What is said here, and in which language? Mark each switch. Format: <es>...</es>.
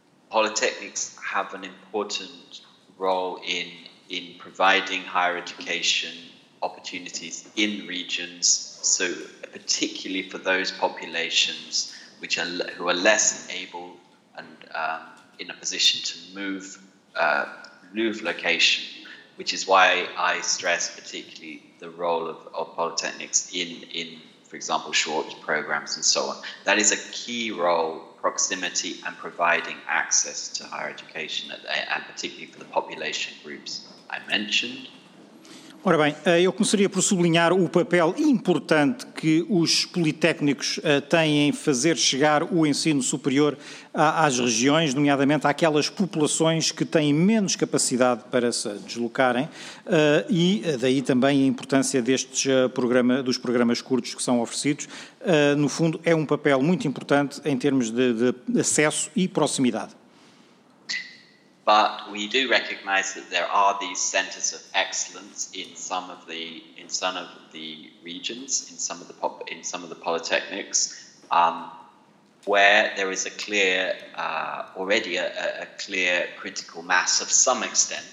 <en>polytechnics have an important role in providing higher education opportunities in regions, so particularly for those populations who are less able and in a position to move location, which is why I stress particularly the role of polytechnics in for example, short programs and so on. That is a key role, proximity and providing access to higher education, and particularly for the population groups I mentioned.</en> <pt>Ora bem, eu começaria por sublinhar o papel importante que os politécnicos têm em fazer chegar o ensino superior às regiões, nomeadamente àquelas populações que têm menos capacidade para se deslocarem, e daí também a importância destes programas, dos programas curtos que são oferecidos. No fundo, é um papel muito importante em termos de acesso e proximidade.</pt> <en>But we do recognize that there are these centers of excellence in some of the polytechnics, where there is already a clear critical mass of some extent.</en>